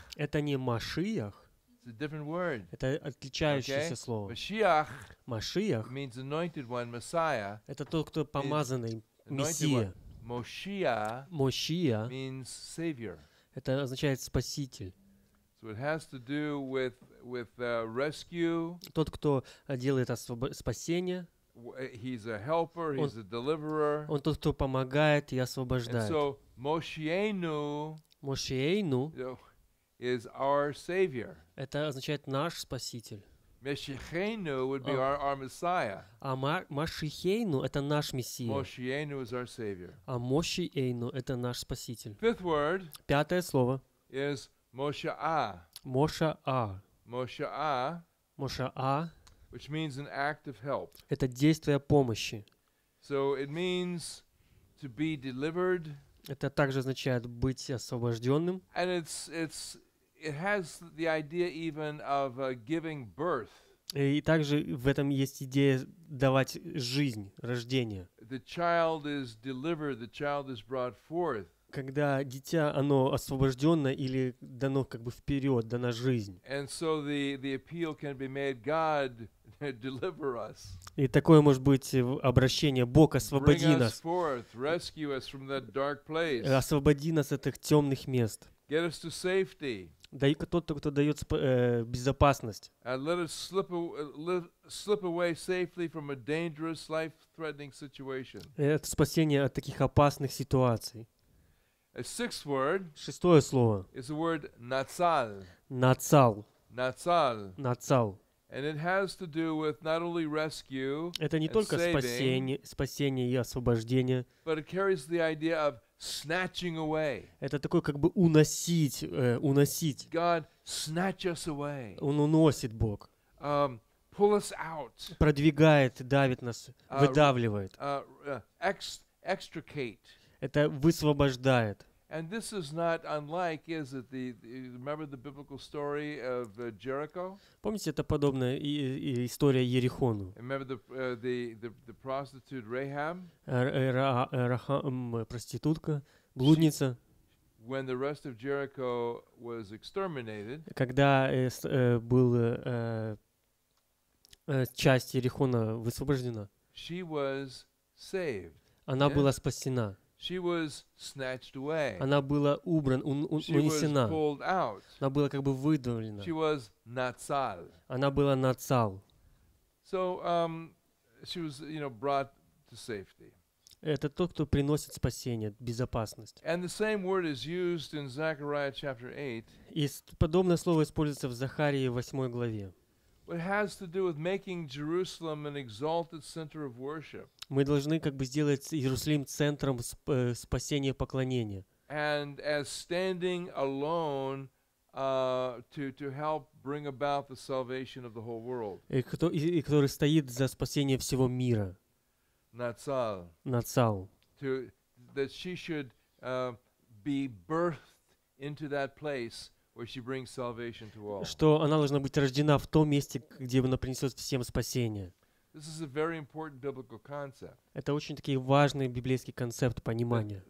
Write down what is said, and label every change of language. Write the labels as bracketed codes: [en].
[ru] Это не Mashiach. [en] It's a different word. [ru] Это отличающееся слово. [he] Mashiach. Mashiach. [en] Means anointed one, Messiah. [ru] Это тот, кто помазанный Мессия. [en] Mashiach. Means savior. [ru] Это означает спаситель. [en] So it has to do with rescue. [ru] Тот, кто делает спасение. [en] He's a helper, he's a deliverer. [ru] Он тот, кто помогает и освобождает. [en] And so Moshiach. [he] Moshiach [en] is our savior. [ru] Это означает наш спаситель. [en] Meshiachenu would be our Messiah. [ru] А Moshiachenu это наш мессия. [en] Moshiachenu is our savior. [ru] А Moshiachenu это наш спаситель. [en] Fifth word. [ru] Пятое слово. [en] Is Moshe'a. [he] Moshe'a. Moshe'a. Moshe'a. [en] Which means an act of help. [ru] Это действие помощи. [en] So it means to be delivered. [ru] Это также означает быть освобожденным. [en] And it has the idea even of giving birth. И также в этом есть идея давать жизнь, рождение. The child is delivered. The child is brought forth. [ru] Когда дитя, оно освобожденно или дано как бы вперед, дана жизнь. [en] And so the appeal can be made, God. Deliver us. [ru] И такое может быть обращение: Бог, освободи нас. [en] Bring us forth, rescue us from that dark place. [ru] Освободи нас от этих темных мест. [en] Get us to safety. [ru] Дай кто-то, кто дает безопасность. [en] And let us slip away safely from a dangerous, life-threatening situation. [ru] Это спасение от таких опасных ситуаций. [en] A sixth word. [ru] Шестое слово. [en] Is the word natsal. [he] Natsal. Natsal. Natsal. [en] And it has to do with not only rescue, [ru] это не только спасение и освобождение, [en] but it carries the idea of snatching away. [ru] Это такое как бы уносить. [en] God snatch us away. [ru] Он уносит Бог. [en] Pull us out. [ru] Продвигает, давит нас, выдавливает. [en] Extricate. [ru] Это высвобождает. [en] And this is not unlike, is it? Remember the biblical story of Jericho? [ru] Помните, это подобная история Иерихону. [en] Remember the prostitute Rahab? [ru] Рахам, проститутка, блудница. [en] When the rest of Jericho was exterminated. [ru] Когда была часть Иерихона высвобождена. [en] She was saved. [ru] Она была спасена. [en] She was snatched away. [ru] Она была убрана, унесена. [en] She was pulled out. [ru] Она была как бы выдавлена. [en] She was natsal. [ru] Она была natsal. [en] So, she was, you know, brought to safety. [ru] Это тот, кто приносит спасение, безопасность. [en] And the same word is used in Zechariah chapter 8. [ru] И подобное слово используется в Захарии 8 главе. [en] It has to do with making Jerusalem an exalted center of worship. [ru] Мы должны как бы сделать Иерусалим центром спасения и поклонения. [en] And as standing alone to help bring about the salvation of the whole world. [ru] И который стоит за спасение всего мира. [he] Natsal. Natsal. [en] That she should be birthed into that place. Where she brings salvation to all. [ru] Что она должна быть рождена в том месте, где она принесет всем спасение. [en] This is a very important biblical concept. [ru] Это очень такой важный библейский концепт понимания.